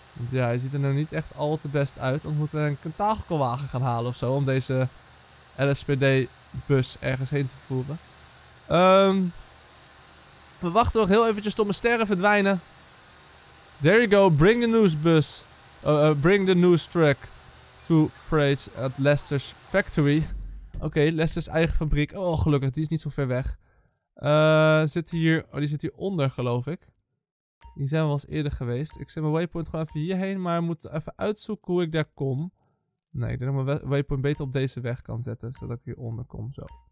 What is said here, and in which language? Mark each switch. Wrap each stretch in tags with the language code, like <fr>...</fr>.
<nl>Ja, hij ziet er nou niet echt al te best uit. Dan moeten we een kentakelwagen gaan halen ofzo. Om deze LSPD-bus ergens heen te voeren. We wachten nog heel eventjes tot mijn sterren verdwijnen.</nl> <en>There you go, bring the news bus. Bring the news truck to Praise at Lester's factory.</en> <nl>Oké, Lester's eigen fabriek. Oh, gelukkig, die is niet zo ver weg. Die zit hier onder, geloof ik. Die zijn we wel eens eerder geweest. Ik zet mijn waypoint gewoon even hierheen, maar ik moet even uitzoeken hoe ik daar kom. Nee, ik denk dat ik mijn waypoint beter op deze weg kan zetten, zodat ik hieronder kom, zo.</nl>